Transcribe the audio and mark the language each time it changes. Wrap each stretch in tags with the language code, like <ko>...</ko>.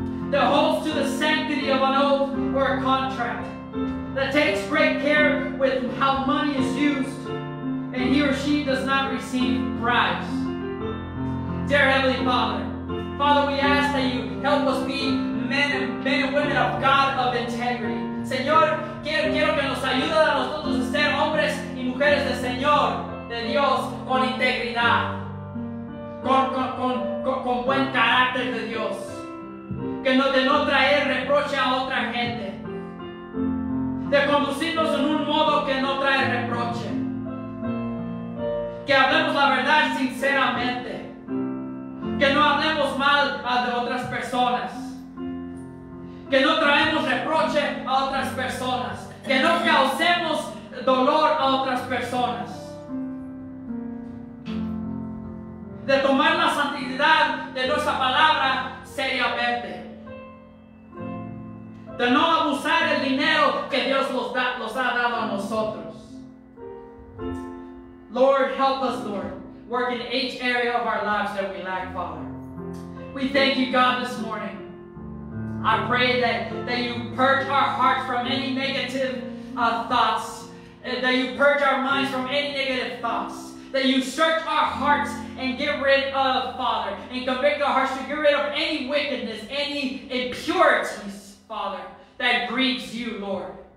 <en>that holds to the sanctity of an oath or a contract, that takes great care with how money is used, and he or she does not receive bribes. Dear Heavenly Father, Father, we ask that you help us be men and women of God of integrity.</en> <es>Señor, quiero que nos ayude a nosotros a ser hombres y mujeres del Señor, de Dios, con integridad, con buen carácter de Dios, que no, de no traer reproche a otra gente, de conducirnos en un modo que no trae reproche. Que hablemos la verdad sinceramente. Que no hablemos mal a de otras personas. Que no traemos reproche a otras personas. Que no causemos dolor a otras personas. De tomar la santidad de nuestra palabra seriamente. De no abusar el dinero que Dios nos ha dado a nosotros.</es> <en>Lord, help us, Lord, work in each area of our lives that we lack, Father. We thank you, God, this morning. I pray that you purge our hearts from any negative thoughts, that you purge our minds from any negative thoughts, that you search our hearts and get rid of, Father, and convict our hearts to get rid of any wickedness, any impurities, Father, that grieves you, Lord.</en>